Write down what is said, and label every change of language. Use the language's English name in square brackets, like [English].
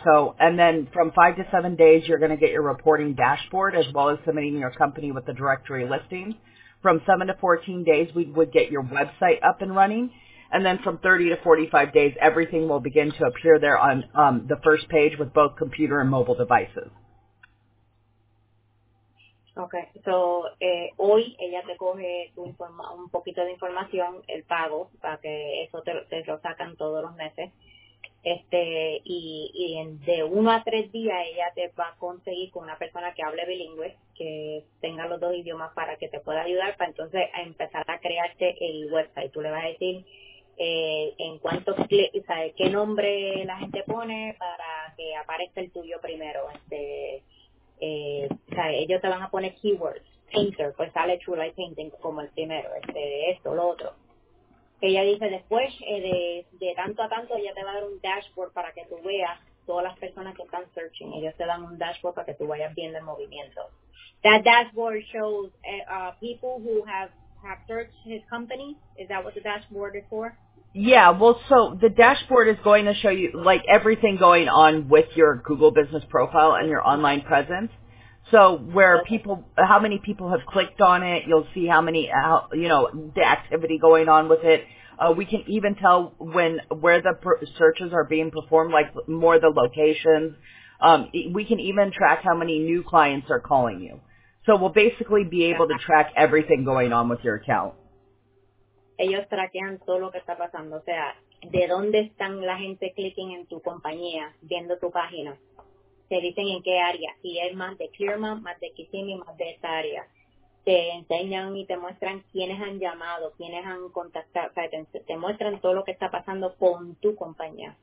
[English] So, and then from 5 to 7 days, you're going to get your reporting dashboard as well as submitting your company with the directory listing. From 7 to 14 days, we would get your website up and running. And then from 30 to 45 days, everything will begin to appear there on the first page with both computer and mobile devices. Okay. [Spanish] So, hoy ella te coge un poquito de información, el pago, para que eso te lo sacan todos los meses. y en de 1 a 3 días ella te va a conseguir con una persona que hable bilingüe, que tenga los dos idiomas para que te pueda ayudar, para entonces a empezar a crearte el website. Tú le vas a decir en cuántos clics, ¿sabes? Qué nombre la gente pone para que aparezca el tuyo primero. Ellos te van a poner keywords, painter, pues sale True Light Painting como el primero, esto, lo otro. Ella dice después de tanto a tanto, ella te va a dar un dashboard para que tú veas todas las personas que están searching. Ellos te dan un dashboard para que tú vayas viendo el movimiento. [English] That dashboard shows people who have searched his company. Is that what the dashboard is for? Yeah, well, so the dashboard is going to show you, like, everything going on with your Google business profile and your online presence. So where people, how many people have clicked on it, you'll see how many, the activity going on with it. We can even tell where the searches are being performed, like more the locations. We can even track how many new clients are calling you. So we'll basically be able to track everything going on with your account. [Spanish] Ellos traquean todo lo que está pasando, o sea, de dónde están la gente clicking en tu compañía, viendo tu página, te dicen en qué área, si es más de Clearmont, más de Kissimmee, más de esa área, te enseñan y te muestran quiénes han llamado, quiénes han contactado, o sea, te muestran todo lo que está pasando con tu compañía,